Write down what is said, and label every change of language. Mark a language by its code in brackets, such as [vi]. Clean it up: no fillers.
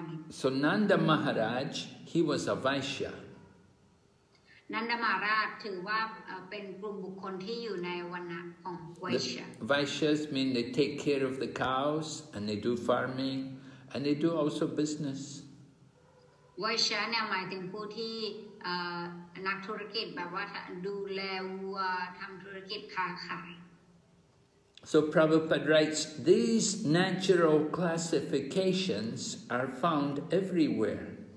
[en] So Nanda Maharaj, he was a Vaishya. [th] นันดมหาราชถือว่าเป็นกลุ่มบุคคลที่อยู่ในวรรณะของไวชยะ [en] Vaishyas mean they take care of the cows and they do farming and they do also business [th] ไวชยะเนี่ยหมายถึงผู้ที่นักธุรกิจแบบว่าดูแลวัวทำธุรกิจค้าขาย [en] So Prabhupada writes these natural classifications are found everywhere